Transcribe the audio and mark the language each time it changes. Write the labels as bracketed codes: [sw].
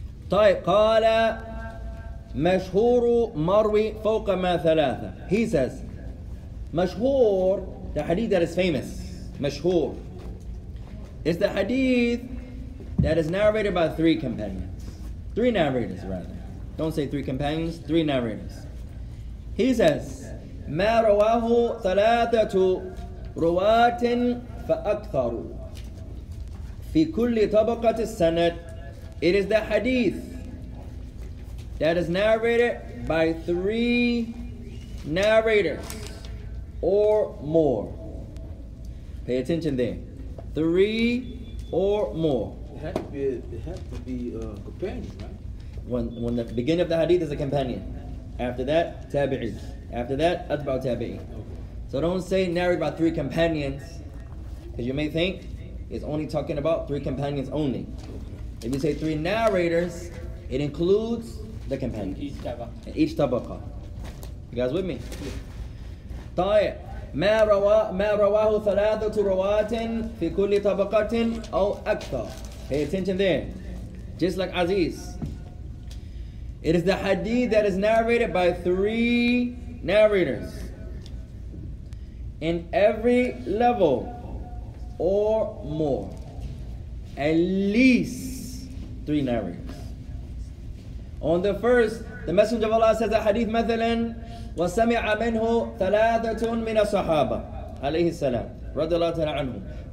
[ar] طيب قال مشهور مروي فوق ما ثلاثة. [en] He says مشهور, the hadith that is famous, مشهور is the hadith that is narrated by three companions, three narrators rather. Don't say three companions, three narrators. He says [ar] ما رواه ثلاثة رواة فأكثر في كل طبقة السند. [en] It is the hadith that is narrated by three narrators or more. Pay attention there. Three or more. It has to be a companion, right? When the beginning of the hadith is a companion. After that, tabi'i. After that, atba'u tabi'i. Okay. So don't say narrated by three companions, because you may think it's only talking about three companions only. If you say three narrators, it includes the companions. Each tabaqa. You guys with me? [ar] طيب ما رواه ثلاثة رواة في كل طبقة أو أكثر. [en] Pay attention there. Just like Aziz, it is the hadith that is narrated by three narrators in every level or more. At least three narrators. On the first, the Messenger of Allah says a hadith [ar] مثلاً وَسَمِعَ مِنْهُ ثَلَاثَةٌ مِنَ الصَّحَابَةِ عَلَيْهِ السَّلَامِ رَضِيَ اللَّهُ تَعَالَى عَنْهُ.